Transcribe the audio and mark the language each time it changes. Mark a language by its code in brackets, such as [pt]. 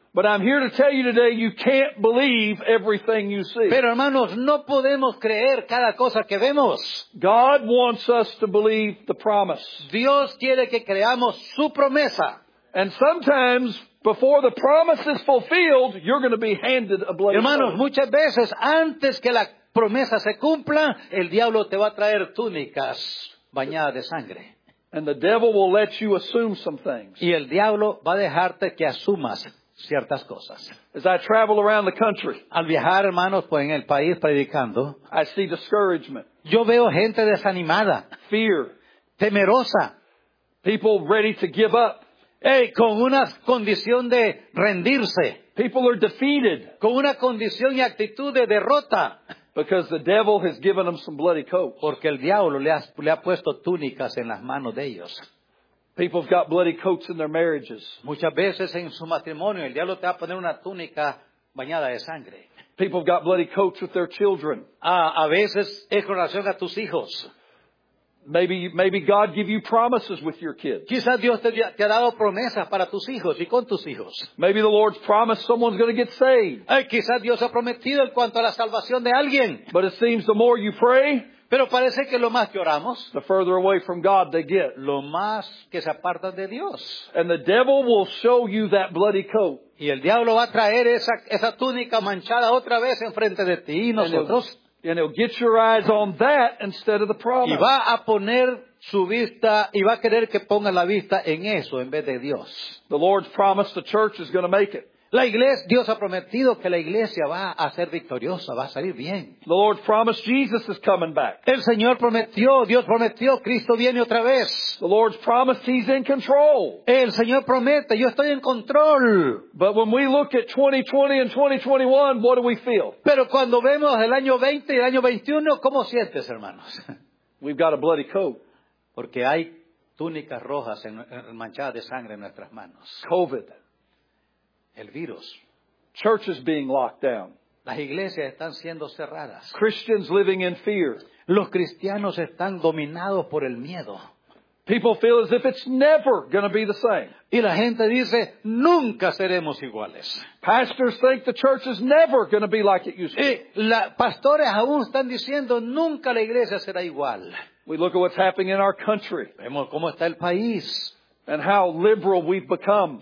[en] But I'm here to tell you today, you can't believe everything you see. [es] Pero hermanos, no podemos creer cada cosa que vemos. [en] God wants us to believe the promise. [es] Dios quiere que creamos su promesa. [en] And sometimes, before the promise is fulfilled, you're going to be handed a bloody [es] Hermanos, [en] sword. [es] Muchas veces, antes que la promesa se cumpla, el diablo te va a traer túnicas bañadas de sangre. [en] And the devil will let you assume some things. [es] Y el diablo va a dejarte que asumas ciertas cosas. [en] As I travel around the country, [es] al viajar, hermanos, pues en el país predicando, [en] I see discouragement. [es] Yo veo gente desanimada. [en] Fear. [es] Temerosa. [en] People ready to give up. [es] Hey, con una condición de rendirse. [en] People are defeated. [es] Con una condición y actitud de derrota. [en] Because the devil has given them some bloody coats. [es] Porque el diablo le ha puesto túnicas en las manos de ellos. [en] People have got bloody coats in their marriages. [es] Muchas veces en su matrimonio el diablo te va a poner una túnica bañada de sangre. [en] People have got bloody coats with their children. [es] A veces es con relación a tus hijos. [en] Maybe God give you promises with your kids. [es] Quizás Dios te ha dado promesas para tus hijos y con tus hijos. [en] Maybe the Lord's promised someone's going to get saved. [es] Ay, quizás Dios ha prometido en cuanto a la salvación de alguien. [en] But it seems the more you pray, [es] pero parece que lo más que oramos, [en] the further away from God they get. [es] Lo más que se apartan de Dios. [en] And the devil will show you that bloody coat. [es] Y el diablo va a traer esa túnica manchada otra vez en frente de ti y nosotros. [en] And he'll get your eyes on that instead of the promise. [es] Y va a poner su vista, y va a querer que ponga la vista en eso en vez de Dios. [en] The Lord's promised the church is going to make it. [es] La iglesia, Dios ha prometido que la iglesia va a ser victoriosa, va a salir bien. [en] The Lord promised Jesus is coming back. [es] El Señor prometió, Dios prometió, Cristo viene otra vez. [en] The Lord's promised he's in control. [es] El Señor promete, yo estoy en control. [en] But when we look at 2020 and 2021, what do we feel? [es] Pero cuando vemos el año 20 y el año 21, ¿cómo sientes, hermanos? [en] We've got a bloody coat. [es] Porque hay túnicas rojas manchadas de sangre en nuestras manos. [en] COVID. [es] El virus. [en] Churches being locked down. [es] Las iglesias están siendo cerradas. [en] Christians living in fear. [es] Los cristianos están dominados por el miedo. [en] People feel as if it's never going to be the same. [es] Y la gente dice, nunca seremos iguales. [en] Pastors think the church is never going to be like it used to be. [es] Pastores aún están diciendo, nunca la iglesia será igual. [en] We look at what's happening in our country. [es] Vemos cómo está el país. [en] And how liberal we've become.